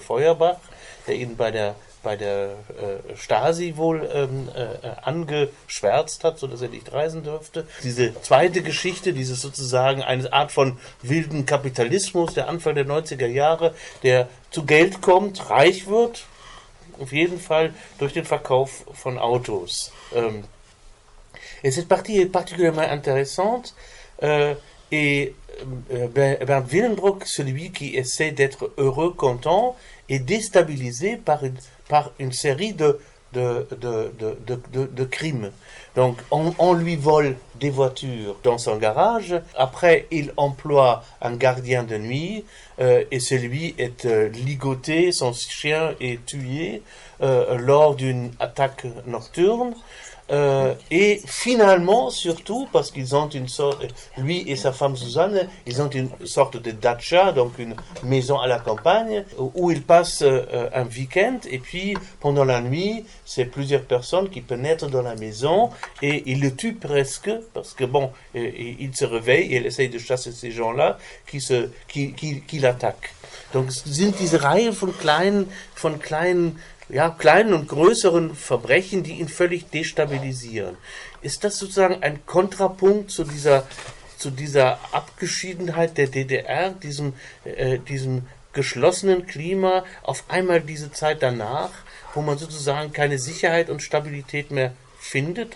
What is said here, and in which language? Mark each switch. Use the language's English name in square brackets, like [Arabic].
[German] Feuerbach, der ihn bei der Stasi wohl angeschwärzt hat, sodass er nicht reisen dürfte. Diese zweite Geschichte, dieses sozusagen eine Art von wilden Kapitalismus, der Anfang der 90er Jahre, der zu Geld kommt, reich wird, auf jeden Fall durch den Verkauf von Autos. [French] Et cette partie est particulièrement intéressante. Et Willenbrock, celui qui essaie d'être heureux, content, est déstabilisé par une série de crimes. Donc, on lui vole des voitures dans son garage. Après, il emploie un gardien de nuit et celui est ligoté, son chien est tué lors d'une attaque nocturne. Et finalement, surtout, parce qu'ils ont une sorte, lui et sa femme Suzanne, ils ont une sorte de dacha, donc une maison à la campagne, où ils passent un week-end, et puis pendant la nuit, c'est plusieurs personnes qui pénètrent dans la maison, et ils le tuent presque, parce que bon, il se réveille, et il essaye de chasser ces gens-là, qui l'attaquent. Donc, c'est une [German] reihe von kleinen ja, kleinen und größeren Verbrechen, die ihn völlig destabilisieren. Ist das sozusagen ein Kontrapunkt zu dieser Abgeschiedenheit der DDR, diesem diesem geschlossenen Klima, auf einmal diese Zeit danach, wo man sozusagen keine Sicherheit und Stabilität mehr findet?